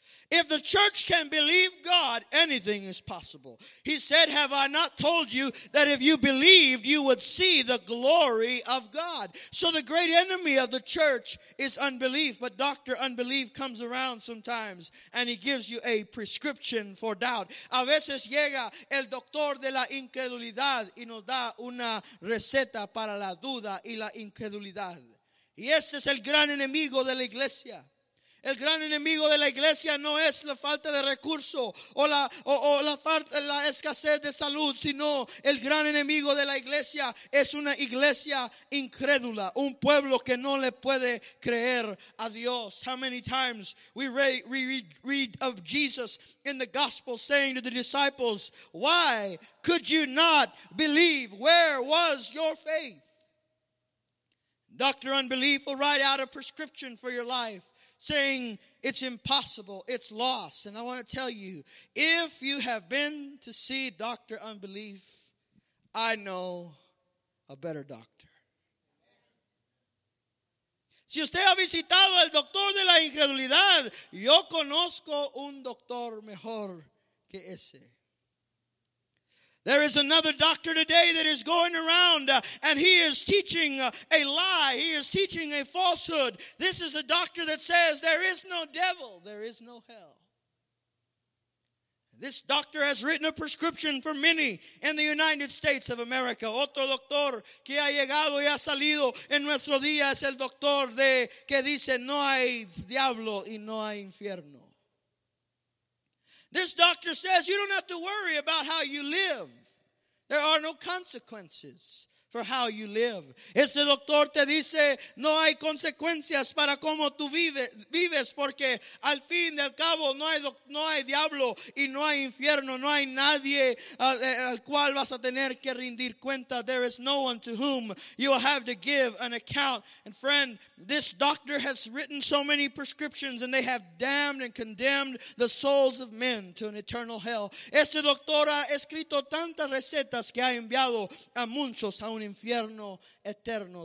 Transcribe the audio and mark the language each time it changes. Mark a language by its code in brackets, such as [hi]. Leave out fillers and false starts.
[en] If the church can believe God, anything is possible. He said, have I not told you that if you believed, you would see the glory of God? So the great enemy of the church is unbelief. But Dr. Unbelief comes around sometimes and he gives you a prescription for doubt. [es] A veces llega el doctor de la incredulidad y nos da una receta para la duda y la incredulidad. Y ese es el gran enemigo de la iglesia. El gran enemigo de la iglesia no es la falta de recurso o la escasez de salud, sino el gran enemigo de la iglesia es una iglesia incrédula, un pueblo que no le puede creer a Dios. [en] How many times we read of Jesus in the gospel saying to the disciples, why could you not believe? Where was your faith? Dr. Unbelief will write out a prescription for your life, saying it's impossible, it's lost. And I want to tell you, if you have been to see Dr. Unbelief, I know a better doctor. [es] Si usted ha visitado al doctor de la incredulidad, yo conozco un doctor mejor que ese. [en] There is another doctor today that is going around and he is teaching a lie. He is teaching a falsehood. This is a doctor that says there is no devil, there is no hell. This doctor has written a prescription for many in the United States of America. [es] Otro doctor que ha llegado y ha salido en nuestro día es el doctor de que dice no hay diablo y no hay infierno. [en] This doctor says you don't have to worry about how you live. There are no consequences for how you live. [es] Este doctor te dice, no hay consecuencias para cómo tú vives, porque al fin y al cabo no hay diablo y no hay infierno. No hay nadie al cual vas a tener que rendir cuenta. [en] There is no one to whom you will have to give an account. And friend, this doctor has written so many prescriptions and they have damned and condemned the souls of men to an eternal hell. [es] Este doctor ha escrito tantas recetas que ha enviado a muchos a un infierno eterno.